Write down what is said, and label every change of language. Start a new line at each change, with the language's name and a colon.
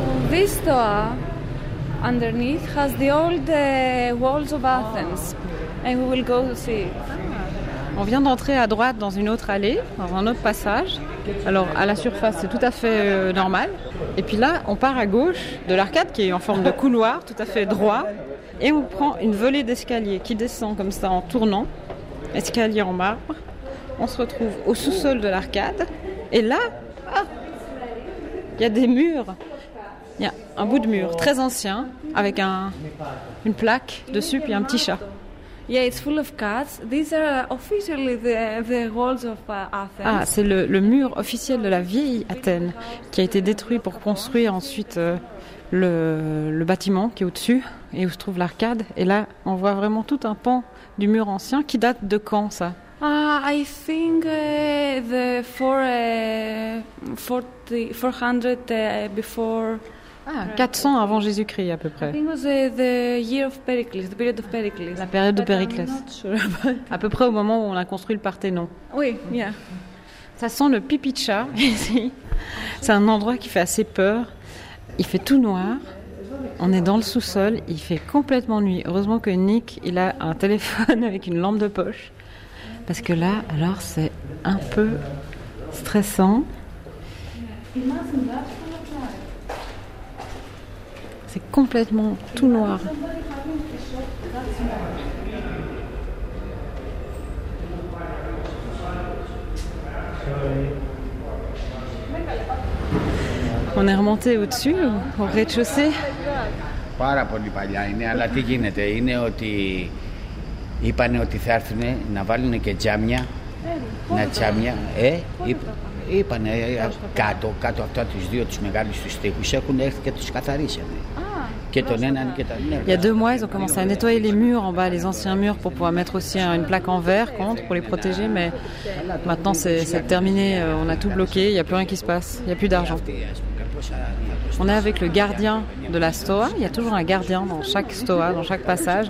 English: This stoa underneath has the old walls of Athens, and we will go to see it.
French: On vient d'entrer à droite dans une autre allée, dans un autre passage. Alors à la surface c'est tout à fait normal. Et puis là on part à gauche de l'arcade qui est en forme de couloir, tout à fait droit. Et on prend une volée d'escalier qui descend comme ça en tournant, escalier en marbre. On se retrouve au sous-sol de l'arcade. Et là, il y a des murs. Il y a un bout de mur très ancien avec une plaque dessus puis un petit chat.
English: Yeah, it's full of cats. These are officially the walls of Athens.
French: Ah, c'est le mur officiel de la vieille Athènes qui a été détruit pour construire ensuite le bâtiment qui est au-dessus et où se trouve l'arcade. Et là, on voit vraiment tout un pan du mur ancien qui date de quand ça?
English: I think the 400 before.
French: Ah, 400 avant Jésus-Christ à peu près.
English: I think it was the year of Pericles, the period of Pericles.
French: La période de Périclès.
English: I'm not sure about
French: à peu près au moment où on a construit le Parthénon. Oui, yeah. Ça sent le pipi de chat ici. C'est un endroit qui fait assez peur. Il fait tout noir. On est dans le sous-sol. Il fait complètement nuit. Heureusement que Nick, il a un téléphone avec une lampe de poche. Parce que là, alors, c'est un peu stressant. C'est complètement tout noir. On est remonté au-dessus, au rez-de-chaussée.
Greek: Πάρα πολύ παλιά είναι, αλλά τι γίνεται, είναι ότι είπανε ότι θα έρθουν να βάλουν και τζάμια. Να τζάμια. Είπανε κάτω, κάτω από τις δύο τις μεγάλες τις τείχους έχουν έρθει και τους καθαρίσανε.
French: Il y a deux mois, ils ont commencé à nettoyer les murs en bas, les anciens murs, pour pouvoir mettre aussi une plaque en verre contre, pour les protéger. Mais maintenant, c'est terminé. On a tout bloqué. Il n'y a plus rien qui se passe. Il n'y a plus d'argent. On est avec le gardien de la stoa. Il y a toujours un gardien dans chaque stoa, dans chaque passage.